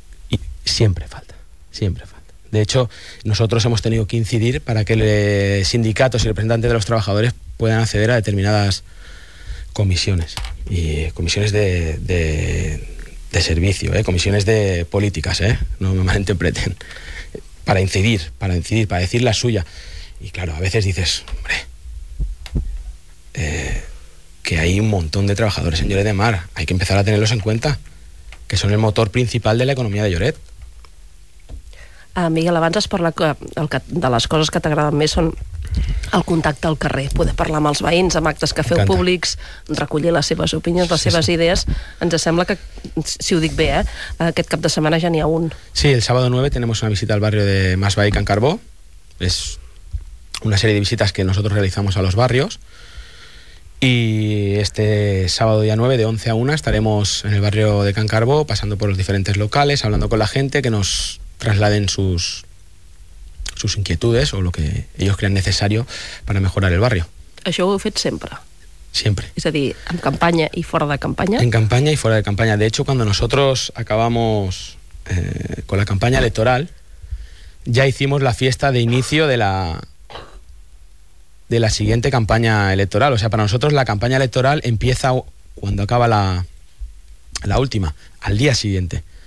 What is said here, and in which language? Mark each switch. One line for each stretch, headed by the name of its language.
Spanish: Y siempre falta, siempre falta. De hecho, nosotros hemos tenido que incidir para que sindicatos y representantes de los trabajadores puedan acceder a determinadas comisiones y comisiones de servicio, comisiones de políticas, no me malinterpreten, para incidir, para decir la suya. Y claro, a veces dices, hombre, que hay un montón de trabajadores en Lloret de Mar, hay que empezar a tenerlos en cuenta, que son el motor principal de la economía de Lloret.
Catalan: Miguel, abans es parla que de les coses que t'agraden més són el contacte al carrer, poder parlar amb els veïns, amb actes que feu públics, recollir les seves opinions, les seves idees. Ens sembla que, si ho dic bé, aquest cap de setmana ja n'hi ha un.
Spanish: Sí, el sábado 9 tenemos una visita al barrio de Masbaí, Can Carbó. Es una serie de visitas que nosotros realizamos a los barrios. Y este sábado día 9, de 11 a 1, estaremos en el barrio de Can Carbó, pasando por los diferentes locales, hablando con la gente, que nos trasladen sus inquietudes o lo que ellos crean necesario para mejorar el barrio.
Catalan: Això ho heu fet sempre? Sempre. És a dir, en campanya i fora de campanya? En campanya i fora de campanya.
Spanish: De hecho, cuando nosotros acabamos con la campanya electoral, ya hicimos la fiesta de inicio de la siguiente campanya electoral. O sea, para nosotros la campanya electoral empieza cuando acaba la última, al día siguiente.